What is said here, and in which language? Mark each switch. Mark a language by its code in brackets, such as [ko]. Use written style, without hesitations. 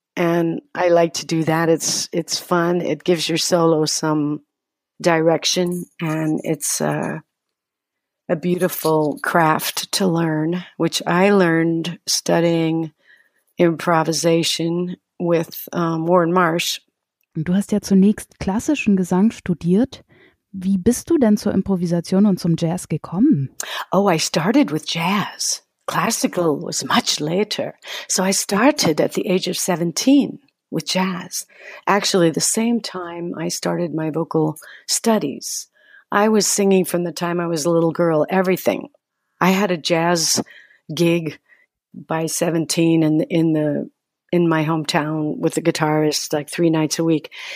[en] And I like to do that. It's fun. It gives your solo some direction, and it's a beautiful craft to learn, which I learned studying improvisation with Warren Marsh. [de] Du hast ja zunächst klassischen Gesang studiert. Wie bist du denn zur Improvisation und zum Jazz gekommen? [en] Oh, I started with jazz. Classical was much later. So I started at the age of 17 with jazz. Actually, the same time I started my vocal studies. I was singing from the time I was a little girl, everything. I had a jazz gig by 17 in my hometown with a guitarist like three nights a week.